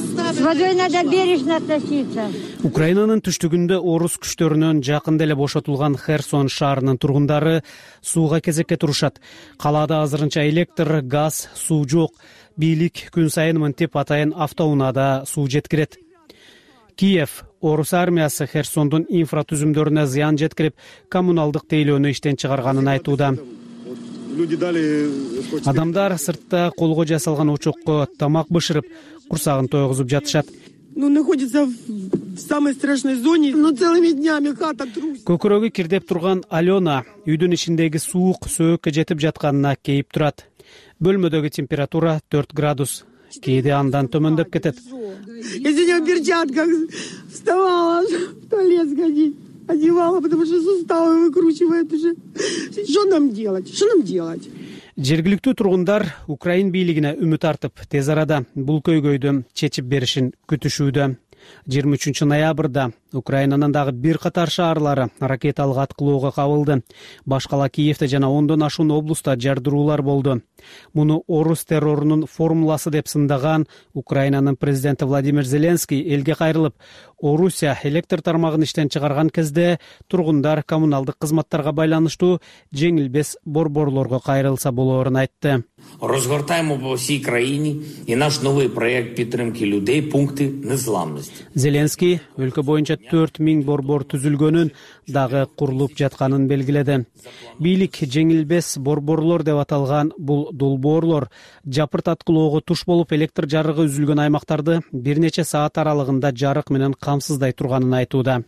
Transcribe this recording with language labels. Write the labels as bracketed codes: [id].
[ru] С водой надо бережно относиться. [ky] Украинанын түштүгүндө орус күчтөрүнөн жакында эле бошотулган Херсон шаарынын тургундары сууга кезекке турушат. Калаада азырынча электр, газ, суу жок. Бийлик күн сайын мынтип атайын автоунаада суу жеткирет. Киев орус армиясы Херсондун инфратүзүмдөрүнө зыян жеткирип, коммуналдык тейлөөнү иштен чыгарганын айтууда. Адамдар сыртта колго жасалган очокко тамак бышырып, курсагын тойгузуп жатышат. [ru] Находится в самой страшной зоне, но целыми днями хата трусит. [ky] Көкүрөгү кирдеп турган Алена үйдүн ичиндеги суук сөөккө жетип жатканына кейип турат. Бөлмөдөгү температура 4 градус. Кээде андан төмөндөп кетет. [ru] Извини, в перчатках вставала, в туалет сходить. Одевала, потому что суставы выкручивает уже. Что нам делать? Что нам делать? [ky] Жергиликтүү тургундар Украин бийлигине үмүт артып, тез арада бул көйгөйдү чечип беришин күтүшүүдө. 23 ноябрда Украинанын дагы бир катар шаарлары ракеталык аткылоого кабылды. Баш кала Киевде жана ондон ашуун областта жардыруулар болду. Муну орус террорунун формуласы деп сындаган Украинанын президенти Владимир Зеленский элге кайрылып, Орусия электр тармагын иштен чыгарган кезде тургундар коммуналдык кызматтарга байланыштуу жеңилбес борборлорго кайрылса болоорун айтты. [uk] Розгортаємо по всій країні і наш новий проект підтримки людей пункти незламності. [ky] Зеленский өлкө боюнча 4000 борбор түзүлгөнүн дагы курулуп жатканын белгиледи. Бийлик жеңилбес борборлор деп аталган бул долбоорлор жапырт аткылоого туш болуп электр жарыгы үзүлгөн аймактарды бир нече саат аралыгында жарык менен камсыздай турганын айтууда.